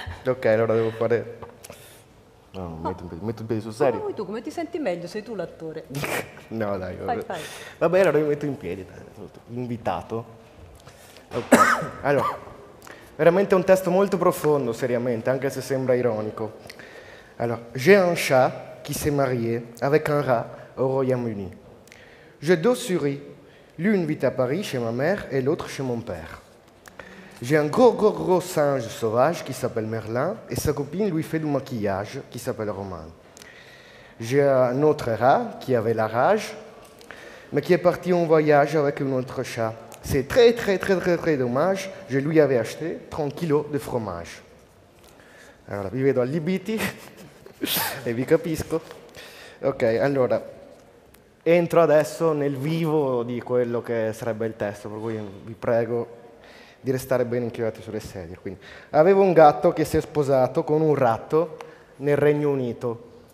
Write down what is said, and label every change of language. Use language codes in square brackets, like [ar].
[it] Ok, allora devo fare... No, no. Metto in piedi sul serio. Come vuoi tu, come ti senti meglio? Sei tu l'attore. No, dai. Vabbè. Fai. Vabbè, allora mi metto in piedi, dai. Invitato. Okay. Allora... Veramente un testo molto profondo, seriamente, anche se sembra ironico. [fr] Alors, j'ai un chat qui s'est marié avec un rat au Royaume-Uni. J'ai deux souris, l'une vit à Paris chez ma mère et l'autre chez mon père. J'ai un gros singe sauvage qui s'appelle Merlin et sa copine lui fait du maquillage qui s'appelle Romain. J'ai un autre rat qui avait la rage, mais qui est parti en voyage avec un autre chat. C'est très, très, très, très, très dommage. Je lui avais acheté 30 kg de fromage. [it] Allora, vi vedo allibiti e vi capisco. Ok, allora, entro adesso nel vivo di quello che sarebbe il testo, per cui vi prego di restare ben inchiodati sulle sedie. Quindi, avevo un gatto che si è sposato con un ratto nel Regno Unito.